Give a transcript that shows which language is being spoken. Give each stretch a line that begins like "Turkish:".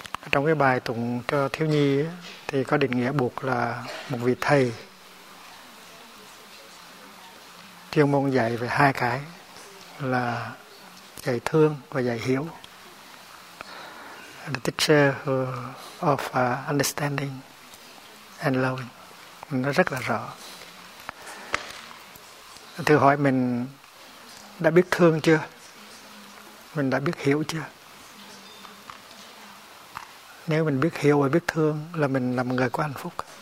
Vietnamese: Trong cái bài tụng cho thiếu nhi ấy, thì có định nghĩa Bụt là một vị thầy chuyên môn dạy về hai cái là dạy thương và dạy hiểu.
English: The teacher of understanding and loving.
Vietnamese: Nó rất là rõ. Thử hỏi mình đã biết thương chưa? Mình đã biết hiểu chưa? Nếu mình biết hiểu và biết thương là mình là một người có hạnh phúc.